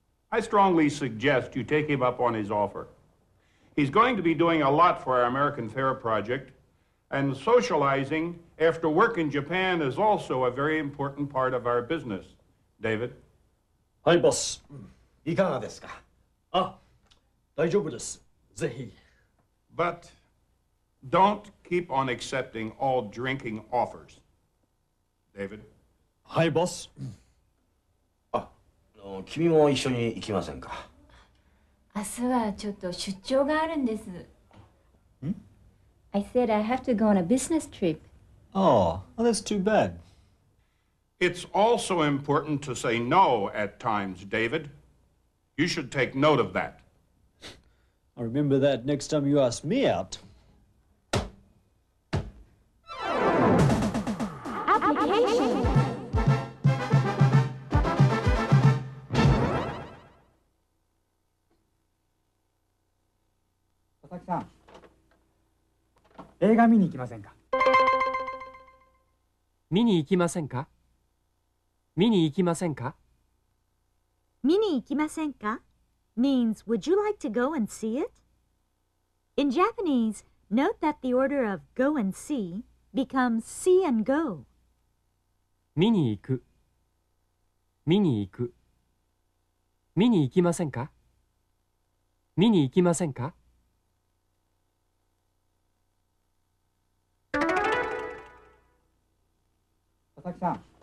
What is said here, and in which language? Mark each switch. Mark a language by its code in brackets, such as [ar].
[en] I strongly suggest you take him up on his offer. He's going to be doing a lot for our American Fair project, and socializing after work in Japan is also a very important part of our business. David? Hi, boss. [ja] いかがですか? あ、大丈夫です。ぜひ。 [en] But don't keep on accepting all drinking offers. David? [ja] はい、ボス。あ、君も一緒に行きませんか? 明日はちょっと出張があるんです。ん? [en] I said I have to go on a business trip. Oh, well, that's too bad. It's also important to say no at times, David. You should take note of that. I'll remember that next time you ask me out. Application. [ja] Sasaki-san, 映画見に行きませんか? 見に行きませんか?見に行きませんか? 見に行きませんか? [en] means, would you like to go and see it? In Japanese, note that the order of go and see becomes see and go. [ja] 見に行く見に行く見に行きませんか? 見に行きませんか? さきさん、